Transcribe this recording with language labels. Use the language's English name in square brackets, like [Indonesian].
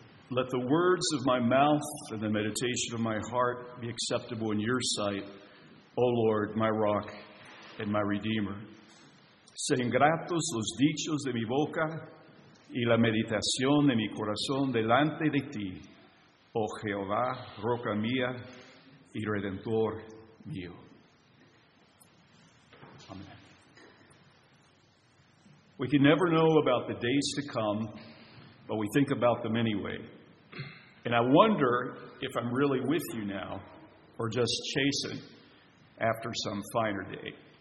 [English] Let the words of my mouth and the meditation of my heart be acceptable in your sight, O Lord, my rock and my redeemer. [Spanish] Sean gratos los dichos de mi boca y la meditación de mi corazón delante de ti, oh Jehová, roca mía y redentor mío. [English] Amen. We can never know about the days to come, but we think about them anyway. And I wonder if I'm really with you now, or just chasing after some finer day.